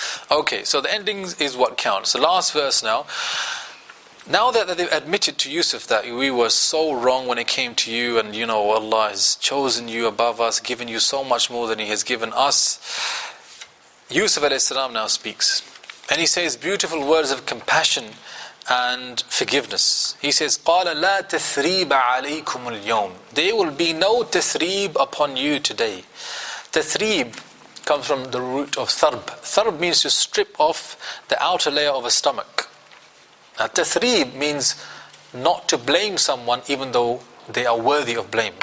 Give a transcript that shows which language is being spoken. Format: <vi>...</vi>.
<en>Okay, so the ending is what counts. The last verse now. Now that they've admitted to Yusuf that we were so wrong when it came to you, and you know Allah has chosen you above us, given you so much more than he has given us. Yusuf alayhi salam now speaks. And he says beautiful words of compassion and forgiveness. He says,</en> <ar>قَالَ لَا تَثْرِيبَ عَلَيْكُمُ الْيَوْمِ.</ar> <en>There will be no tathrib upon you today. Tathrib comes from the root of tharb. Tharb means to strip off the outer layer of a stomach. Now, tathrib means not to blame someone even though they are worthy of blame.</en>